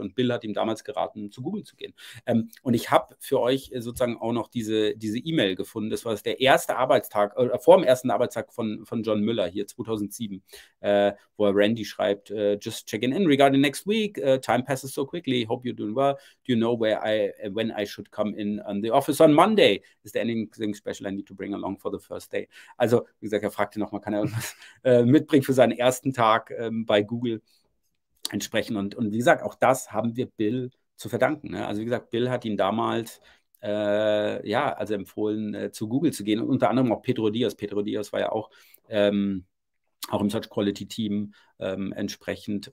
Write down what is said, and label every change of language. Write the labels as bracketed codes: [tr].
[de] Und Bill hat ihm damals geraten, zu Google zu gehen. Und ich habe für euch sozusagen auch noch diese E-Mail gefunden. Das war der erste Arbeitstag, vor dem ersten Arbeitstag von John Müller hier 2007, wo er Randy schreibt, [en] just checking in regarding next week. Time passes so quickly. Hope you're doing well. Do you know when I should come in on the office on Monday? Is there anything special I need to bring along for the first day? [de] Also, wie gesagt, er fragte nochmal, kann er irgendwas mitbringt für seinen ersten Tag bei Google entsprechend. Und wie gesagt, auch das haben wir Bill zu verdanken. Ne? Also wie gesagt, Bill hat ihn damals also empfohlen, zu Google zu gehen. Und unter anderem auch Pedro Diaz. Pedro Diaz war ja auch im Search Quality Team entsprechend.